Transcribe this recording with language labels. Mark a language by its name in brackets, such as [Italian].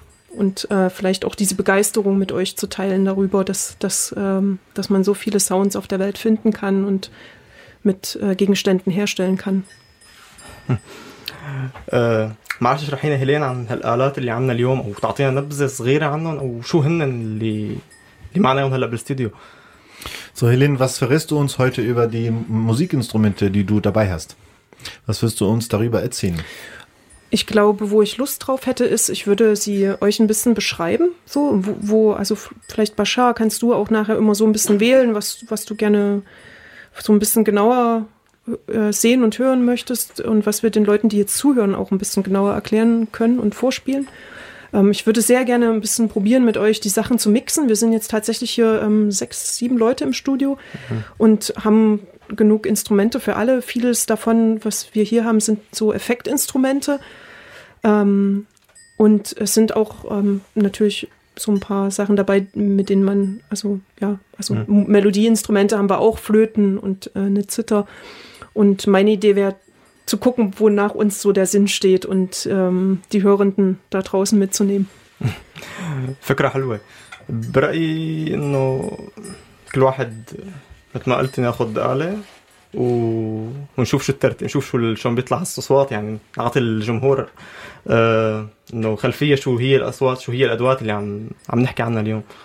[German] Und vielleicht auch diese Begeisterung mit euch zu teilen darüber, dass man so viele Sounds auf der Welt finden kann und mit Gegenständen herstellen kann. [Arabic] معلش تشرحينا هيلين عن هالآلات اللي عندنا اليوم, أو تعطينا نبذة صغيرة عنهم, أو شو هن اللي معنا اليوم هلا بالستوديو. [German] So, Helene, was verrätst du uns heute über die Musikinstrumente, die du dabei hast? Was wirst du uns darüber erzählen? Ich glaube, wo ich Lust drauf hätte, ist, ich würde sie euch ein bisschen beschreiben. So, also vielleicht Bashar, kannst du auch nachher immer so ein bisschen wählen, was du gerne so ein bisschen genauer sehen und hören möchtest und was wir den Leuten, die jetzt zuhören, auch ein bisschen genauer erklären können und vorspielen. Ich würde sehr gerne ein bisschen probieren, mit euch die Sachen zu mixen. Wir sind jetzt tatsächlich hier 6-7 Leute im Studio und haben genug Instrumente für alle. Vieles davon, was wir hier haben, sind so Effektinstrumente. Und es sind auch natürlich so ein paar Sachen dabei, mit denen man, Melodieinstrumente haben wir auch, Flöten und eine Zither. Und meine Idee wäre, zu gucken, wonach uns so der Sinn steht und die Hörenden da draußen mitzunehmen. [Arabic] Fikra halwe. برأيي إنه كل واحد مثل ما قلت ناخد آلة ونشوف شو الترتيب، نشوف شو شلون بيطلع الأصوات، يعني نعطي الجمهور إنه خلفية شو هي الأصوات، شو هي الأدوات اللي عم نحكي عنها اليوم.